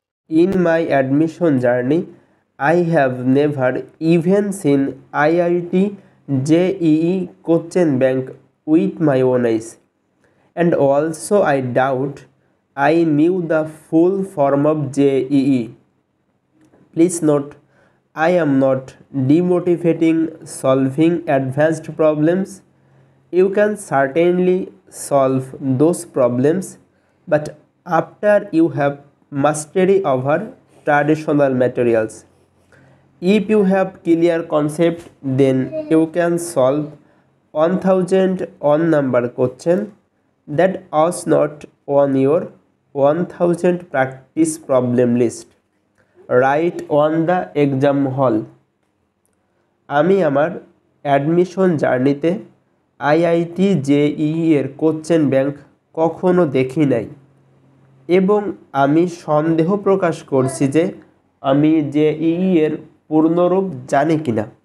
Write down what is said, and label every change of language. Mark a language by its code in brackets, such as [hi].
[en] In my admission journey I have never even seen IIT JEE question bank with my own eyes and also I doubt I knew the full form of JEE. Please note, I am not demotivating solving advanced problems. You can certainly solve those problems, but after you have mastery over traditional materials. If you have clear concept, then you can solve 1000 one number question. That was not on your 1000 practice problem list. Right on the exam hall. [bn] আমি আমার admission জার্নিতে IIT JEE এর question bank কখনো দেখি নাই এবং আমি সন্দেহ প্রকাশ করছি যে আমি জেইই এর পূর্ণরূপ জানি কি না।